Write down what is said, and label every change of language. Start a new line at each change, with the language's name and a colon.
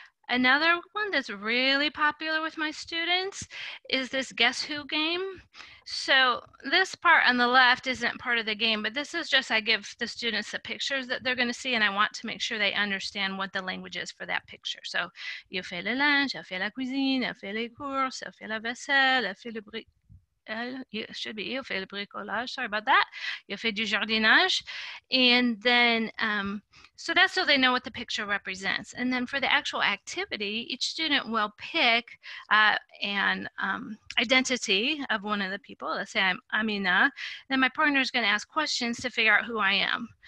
English: Another one that's really popular with my students is this guess who game. So this part on the left isn't part of the game, but this is just, I give the students the pictures that they're gonna see and I want to make sure they understand what the language is for that picture.
French: So, je fais le linge, je fais la cuisine, je fais les courses, je fais la vaisselle, je fais le bric. Il fait le bricolage,
English: sorry about that.
French: Il fait du jardinage.
English: And then, so that's so they know what the picture represents. And then for the actual activity, each student will pick an identity of one of the people. Let's say I'm Amina. Then my partner is going to ask questions to figure out who I am.